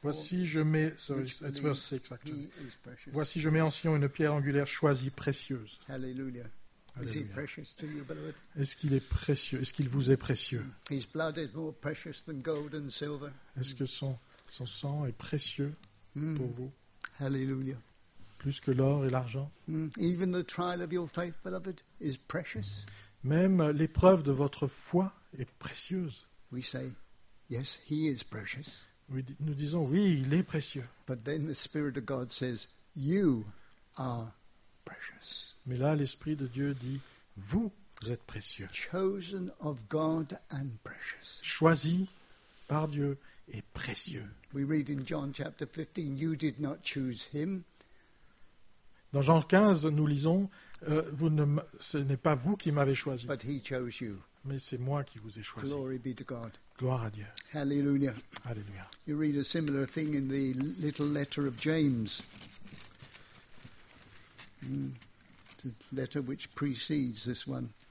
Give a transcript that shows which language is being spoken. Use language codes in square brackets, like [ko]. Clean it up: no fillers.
[fr] voici je mets, [en] sorry, it's verse 6, actually. [fr] Voici je mets en Sion une pierre angulaire choisie, précieuse." [en] Hallelujah. Is he precious to you, beloved? [fr] Est-ce qu'il est précieux? Est-ce qu'il vous est précieux? [en] His blood is more precious than gold and silver. [fr] Est-ce que son sang est précieux pour vous? [en] Hallelujah. [fr] Plus que l'or et l'argent. [en] Even the trial of your faith, beloved, is precious. [fr] Même l'épreuve de votre foi est précieuse. [en] We say, yes, he is precious. [fr] Nous disons oui, il est précieux. [en] But then the Spirit of God says, you are precious. [fr] Mais là, l'Esprit de Dieu dit, vous êtes précieux. [en] Chosen of God and precious. [fr] Choisi par Dieu et précieux. [en] We read in John chapter 15, you did not choose him. [fr] Dans Jean 15, nous lisons, ce n'est pas vous qui m'avez choisi, [en] but he chose you. [fr] Mais c'est moi qui vous ai choisi. [en] Glory be to God. [fr] Gloire à Dieu. [en] Hallelujah. [fr] Alléluia. [en] You read a similar thing in the little letter of James. The letter which precedes this one.